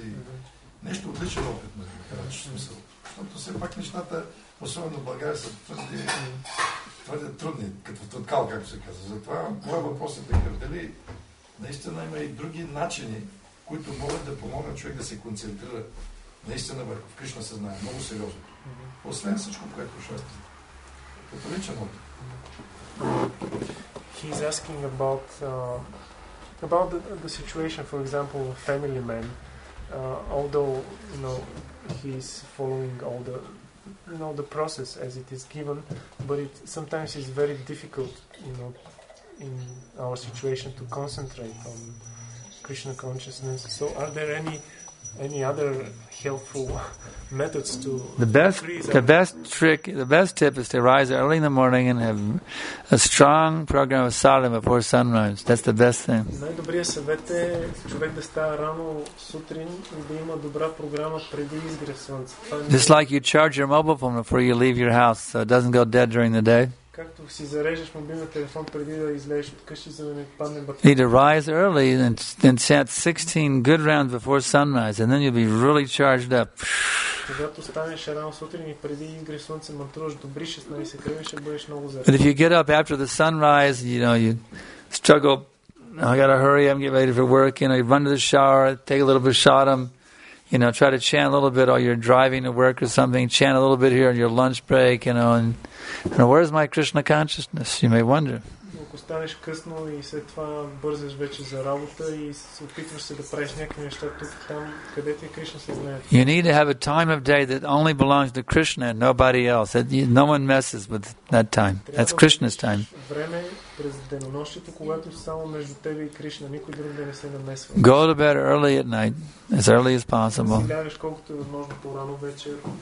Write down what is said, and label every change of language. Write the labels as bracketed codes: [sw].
[bg] И нещо отличен опит, в смисъл. Защото все пак нещата, особено в България, са твърде трудни, като тъткал, както се казва. Затова моят въпрос е такъв, дали наистина има и други начини, които могат да помогнат човек да се концентрира наистина върху Кришна съзнание, много сериозно. Освен всичко, което шасти. Като личен опит. [en] He's asking about the situation, for example, a family man. Although, you know, he's following all the, you know, the process as it is given, but it sometimes is very difficult, you know, in our situation to concentrate on Krishna consciousness. So are there any other helpful methods to the best tip is to rise early in the morning and have a strong program of sadhana before sunrise. That's the best thing. [bg] Най-добрият съвет е човек да става рано сутрин и да има добра програма преди изгрев слънце. [en] Just like you charge your mobile phone before you leave your house so it doesn't go dead during the day. [bg] Както си зарежеш мобилен телефон преди да излезеш от къщи, за да не падне батерията. [en] You need to rise early and chant 16 good rounds before sunrise, and then you'll be really charged up. [bg] Когато станеш рано сутрин и преди изгрев слънце мантруваш добри 16 кръга, ще бъдеш много заряден. [en] But if you get up after the sunrise, you know, you struggle, I gotta hurry, I'm getting ready for work, you know, you run to the shower, take a little bit of shatam, you know, try to chant a little bit while you're driving to work or something, chant a little bit here on your lunch break, you know, and where is my Krishna consciousness? You may wonder. [bg] Ако станеш късно и след това бързаш вече за работа и се опитваш се да правиш някакви неща тук, там, къде ти е Кришна съзнанието? [en] You need to have a time of day that only belongs to Krishna and nobody else. No one messes with that time. That's Krishna's time. [bg] Време през денонощието, когато само между тебе и Кришна, никой друг не се намесва. [en] Go to bed early at night, as early as possible. [bg] Да си лягаш колкото е възможно по-рано вечер.